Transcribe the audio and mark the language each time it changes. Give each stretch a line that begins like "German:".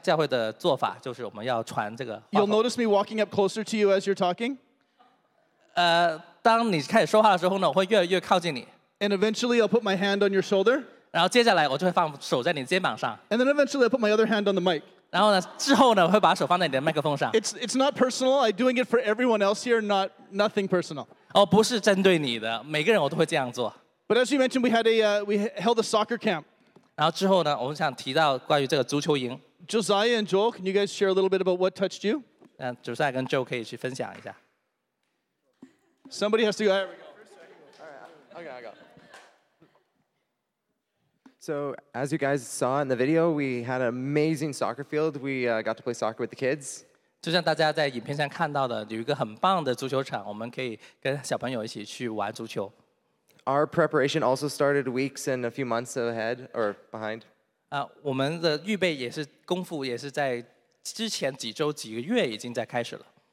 Chinese: 我们现在要去到西安教会的做法，就是我们要传这个话筒。
English: You'll notice me walking up closer to you as you're talking.
Chinese: 当你开始说话的时候呢，我会越来越靠近你。
English: And eventually I'll put my hand on your shoulder.
Chinese: 然后接下来我就会放手在你肩膀上。
English: And then eventually I'll put my other hand on the mic.
Chinese: 然后呢，之后呢，我会把手放在你的麦克风上。
English: It's it's not personal. I'm doing it for everyone else here, nothing personal.
Chinese: 哦，不是针对你的，每个人我都会这样做。
English: But as you mentioned, we held a soccer camp.
Chinese: 然后之后呢，我们想提到关于这个足球营。Josiah
English: and Joel, can you guys share a little bit about what touched you?
Chinese: 那Josiah跟 Joel 可以去分享一下。
English: Somebody has to go. There we go. All right. Okay, I got it. So as you guys saw in the video, we had an amazing soccer field. We got to play soccer with the kids.
Chinese: 就像大家在影片上看到的，有一个很棒的足球场，我们可以跟小朋友一起去玩足球。
English: Our preparation also started weeks and a few months ahead or behind.
Chinese: 我们的预备也是功夫，也是在之前几周、几个月已经在开始了。